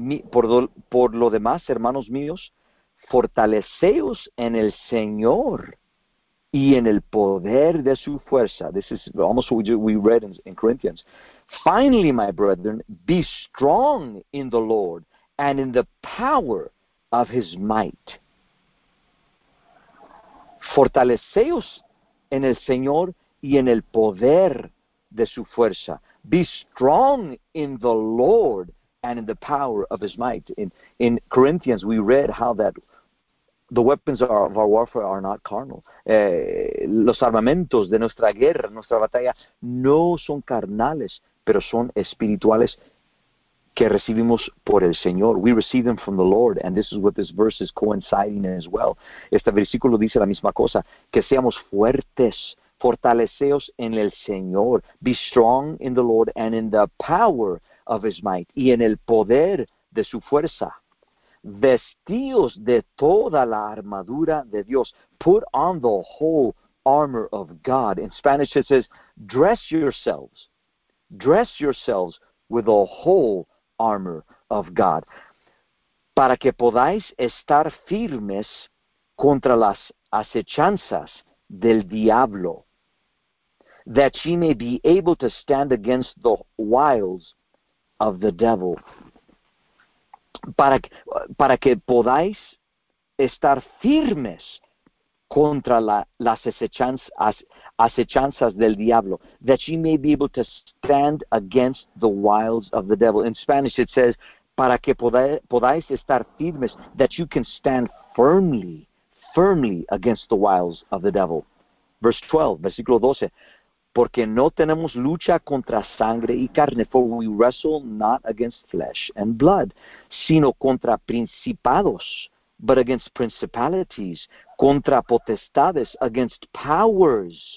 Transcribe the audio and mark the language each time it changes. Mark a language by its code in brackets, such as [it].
[es] Por lo demás, hermanos míos, fortaleceos en el Señor y en el poder de su fuerza. [en] This is almost what we read in Corinthians. Finally, my brethren, be strong in the Lord and in the power of his might. [es] Fortaleceos en el Señor y en el poder de su fuerza. [en] Be strong in the Lord and in the power of his might. In Corinthians, we read how that the weapons of our warfare are not carnal. [es] Los armamentos de nuestra guerra, nuestra batalla, no son carnales, pero son espirituales que recibimos por el Señor. [en] We receive them from the Lord, and this is what this verse is coinciding as well. [es] Este versículo dice la misma cosa, que seamos fuertes, fortaleceos en el Señor. [en] Be strong in the Lord and in the power of his might, [es] y en el poder de su fuerza. Vestíos de toda la armadura de Dios. [en] Put on the whole armor of God. In Spanish it says, dress yourselves. Dress yourselves with the whole armor of God. [es] Para que podáis estar firmes contra las acechanzas del diablo. [en] That ye may be able to stand against the wiles of the devil. [es] Para que podáis estar firmes contra las acechanzas del diablo. [en] That ye may be able to stand against the wiles of the devil. In Spanish it says, [es] para que podáis estar firmes, [en] that you can stand firmly against the wiles of the devil. Verse 12, [es] versículo 12. Porque no tenemos lucha contra sangre y carne, [en] for we wrestle not against flesh and blood, [es] sino contra principados, [en] but against principalities, [es] contra potestades, [en] against powers,